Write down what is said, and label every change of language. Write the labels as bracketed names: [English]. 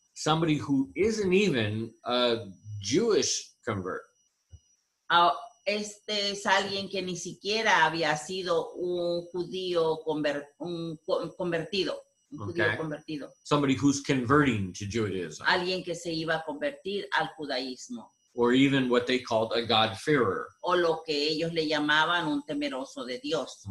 [English] Somebody who isn't even a Jewish convert. [Spanish] Este es alguien que ni siquiera había sido un judío convertido. [English] Okay. Somebody who's converting to Judaism. [Spanish] Alguien que se iba a convertir al judaísmo. [English] Or even what they called a God-fearer. [Spanish] O lo que ellos le llamaban un temeroso de Dios.